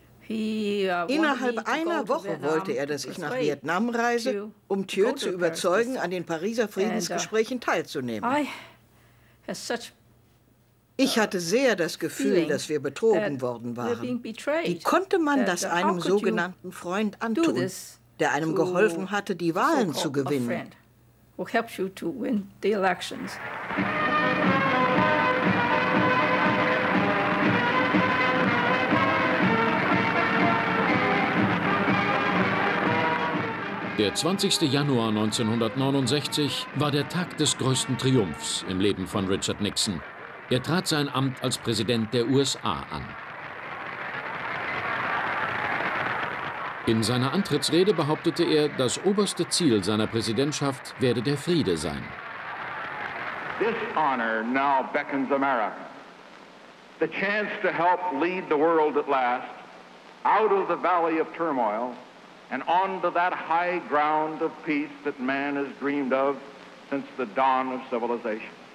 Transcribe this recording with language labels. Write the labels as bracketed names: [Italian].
[German] Innerhalb einer Woche wollte er, dass ich nach Vietnam reise, um Thieu zu überzeugen, an den Pariser Friedensgesprächen teilzunehmen. Ich hatte sehr das Gefühl, dass wir betrogen worden waren. Wie konnte man das einem sogenannten Freund antun, der einem geholfen hatte, die Wahlen zu gewinnen? [English] Who helped you to win the elections? [German] Der 20. Januar 1969 war der Tag des größten Triumphs im Leben von Richard Nixon. Er trat sein Amt als Präsident der USA an. In seiner Antrittsrede behauptete er, das oberste Ziel seiner Präsidentschaft werde der Friede sein. [English] This honor now beckons America. The chance to help lead the world at last out of the valley of turmoil and onto that high ground of peace that man has dreamed of since the dawn of civilization.